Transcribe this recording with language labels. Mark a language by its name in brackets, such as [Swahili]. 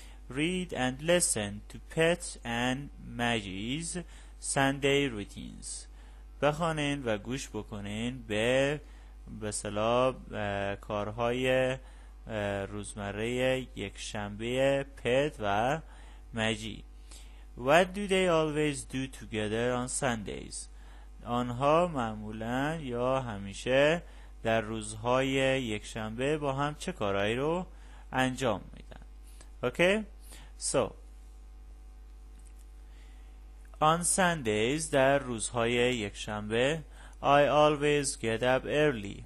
[English] Read and listen to Pets and Maggie's Sunday routines. [Persian] بخونین و گوش بکنین به مثلا کارهای روزمره یک شنبه پت و مجی. [English] What do they always do together on Sundays? [Persian] آنها معمولاً یا همیشه در روزهای یک شنبه با هم چه کارهایی رو انجام میدن؟ Okay? [English] So, on Sundays, [Persian] در روزهای یک شنبه, [English] I always get up early.